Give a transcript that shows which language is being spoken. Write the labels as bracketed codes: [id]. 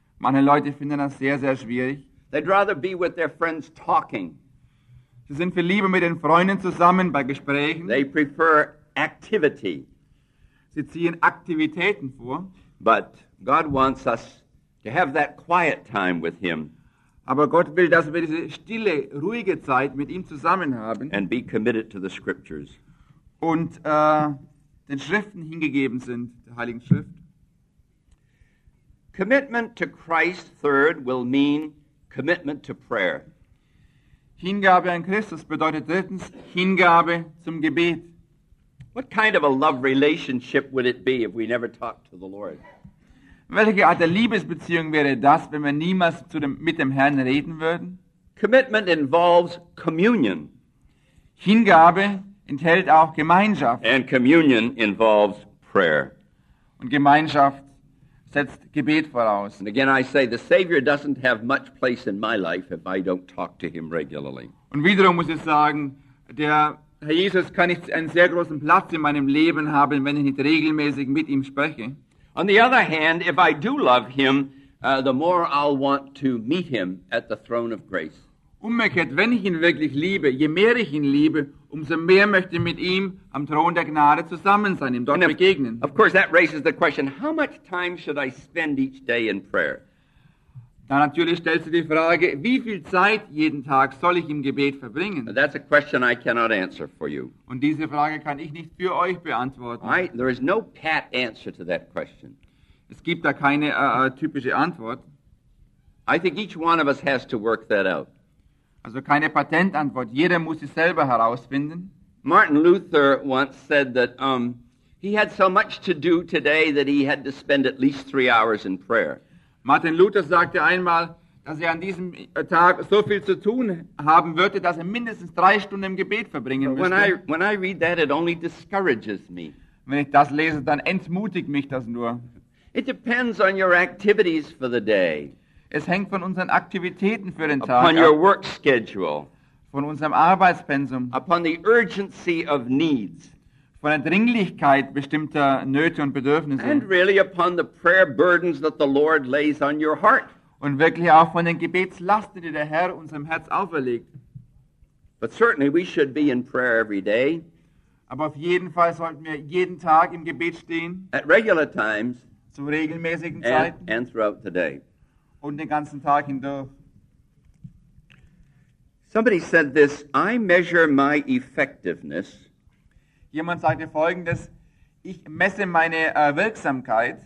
[de] Manche Leute finden das sehr, sehr schwierig. [en] They'd rather be with their friends talking. [de] Sie sind viel lieber mit den Freunden zusammen bei Gesprächen. [en] They prefer activity. [de] Sie ziehen Aktivitäten vor. [en] But God wants us to have that quiet time with him. [de] Aber Gott will, dass wir diese stille, ruhige Zeit mit ihm zusammen haben. [en] And be committed to the scriptures. [de] Und den Schriften hingegeben sind, der Heiligen Schrift. [en] Commitment to Christ, third, will mean commitment to prayer. [de] Hingabe an Christus bedeutet drittens Hingabe zum Gebet. [en] What kind of a love relationship would it be if we never talked to the Lord? [de] Welche Art der Liebesbeziehung wäre das, wenn wir niemals mit dem Herrn reden würden? [en] Commitment involves communion. [de] Hingabe enthält auch Gemeinschaft. [en] And communion involves prayer. [de] Und Gemeinschaft setzt Gebet voraus. [en] And again I say, the Savior doesn't have much place in my life if I don't talk to him regularly. [de] Und wiederum muss ich sagen, der Herr Jesus kann nicht einen sehr großen Platz in meinem Leben haben, wenn ich nicht regelmäßig mit ihm spreche. [en] On the other hand, if I do love him, the more I'll want to meet him at the throne of grace. [de] Umgekehrt, wenn ich ihn wirklich liebe, je mehr ich ihn liebe, umso mehr möchte ich mit ihm am Thron der Gnade zusammen sein, ihm dort begegnen. [en] Of course, that raises the question, how much time should I spend each day in prayer? [de] Dann natürlich stellst du die Frage, wie viel Zeit jeden Tag soll ich im Gebet verbringen? [en] That's a question I cannot answer for you. [de] Und diese Frage kann ich nicht für euch beantworten. [en] There is no pat answer to that question. [de] Es gibt da keine typische Antwort. [en] I think each one of us has to work that out. [de] Also keine Patentantwort. Jeder muss es selber herausfinden. [en] Martin Luther once said that he had so much to do today that he had to spend at least 3 hours in prayer. [de] Martin Luther sagte einmal, dass er an diesem Tag so viel zu tun haben würde, dass er mindestens 3 Stunden im Gebet verbringen müsste. [en] When I read that, it only discourages me. [de] Wenn ich das lese, dann entmutigt mich das nur. [en] It depends on your activities for the day. [de] Es hängt von unseren Aktivitäten für den Tag ab. [en] Upon your work schedule. [de] Von unserem Arbeitspensum. [en] Upon the urgency of needs. [de] Von der Dringlichkeit bestimmter Nöte und Bedürfnisse. [en] And really upon the prayer burdens that the Lord lays on your heart. [de] Und wirklich auch von den Gebetslasten, die der Herr unserem Herz auferlegt. [en] But certainly we should be in prayer every day. [de] Aber auf jeden Fall sollten wir jeden Tag im Gebet stehen. [en] At regular times. [de] Zu regelmäßigen Zeiten. [en] And throughout the day. [de] Und den ganzen Tag hindurch. [en] Somebody said this, I measure my effectiveness. [de] Jemand sagte Folgendes, ich messe meine Wirksamkeit